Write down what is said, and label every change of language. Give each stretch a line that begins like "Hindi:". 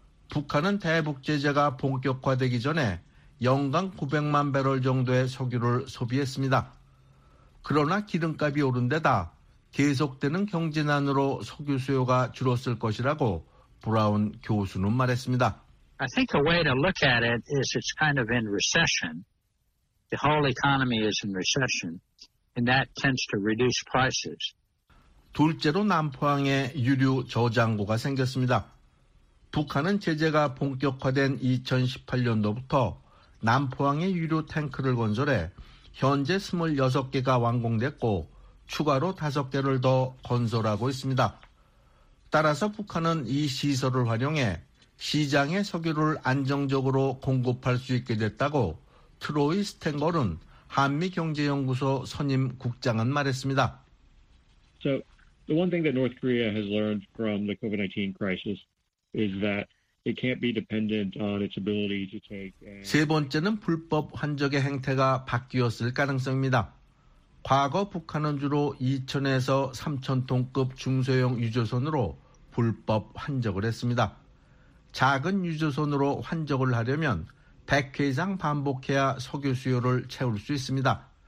Korean: 북한은 대북 제재가 본격화되기 전에 연간 900만 배럴 정도의 석유를 소비했습니다. 그러나 기름값이 오른 데다 계속되는 경제난으로 석유 수요가 줄었을 것이라고 브라운 교수는 말했습니다.
English: I think the way to look at it is it's kind of in recession. The whole economy is in recession, and that tends to reduce prices.
Korean: 둘째로 남포항에 유류 저장고가 생겼습니다. 북한은 제재가 본격화된 2018년도부터 남포항에 유류 탱크를 건설해 현재 26개가 완공됐고 추가로 5개를 더 건설하고 있습니다. 따라서 북한은 이 시설을 활용해 시장에 석유를 안정적으로 공급할 수 있게 됐다고 트로이 스탱걸은 한미경제연구소 선임 국장은 말했습니다.
English: So the one thing that North Korea has learned from the COVID-19 crisis is that it can't be dependent on its ability to take.
Korean: 세 번째는 불법 환적의 행태가 바뀌었을 가능성입니다. 과거 북한은 주로 2천에서 3천 톤급 중소형 유조선으로 불법 환적을 했습니다. 작은 유조선으로 환적을 하려면 100회 이상 반복해야 석유 수요를 채울 수 있습니다.